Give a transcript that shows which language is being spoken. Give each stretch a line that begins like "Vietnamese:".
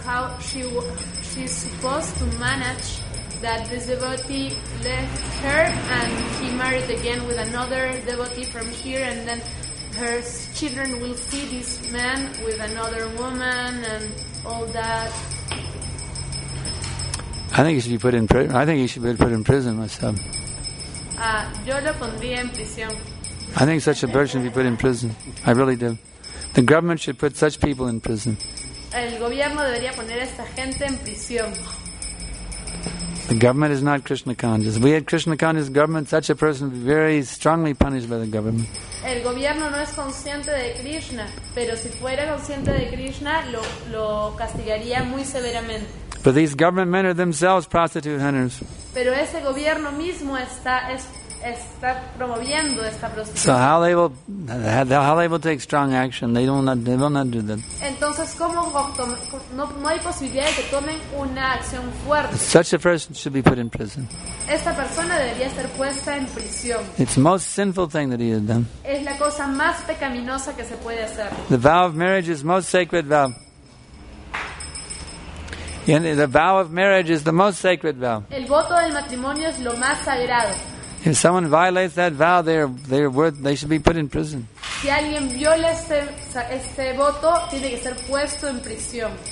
English: How she's supposed to manage that this devotee left her and he married again with another devotee from here, and then her children will see this man with another woman and all that. I think he should be put in prison. I think he should be put in prison myself.
Spanish: Yo lo pondría en prisión.
English: I think such a person should be put in prison. I really do. The government should put such people in prison.
Spanish: El gobierno debería poner a esta gente en prisión.
English: The government is not Krishna conscious. If we had Krishna conscious government, such a person would be very strongly punished by the government.
Spanish: El gobierno no es consciente de Krishna, pero si fuera consciente de Krishna, lo castigaría muy severamente.
English: But these government men are themselves prostitute hunters.
Spanish: Pero ese gobierno mismo está promoviendo esta prostitución.
English: So how they will take strong action? They will not do that.
Spanish: Entonces, ¿cómo no hay posibilidad de que tomen una acción fuerte?
English: Such a person should be put in prison.
Spanish: Esta persona debería ser puesta en prisión.
English: It's the most sinful thing that he has done.
Spanish: Es la cosa más pecaminosa que se puede hacer.
English: The vow of marriage is most sacred vow. And the vow of marriage is the most sacred vow.
Spanish: El voto del matrimonio es lo más sagrado.
English: If someone violates that vow, they should be put in prison.
Spanish: Si alguien viola este voto, tiene que ser puesto en prisión.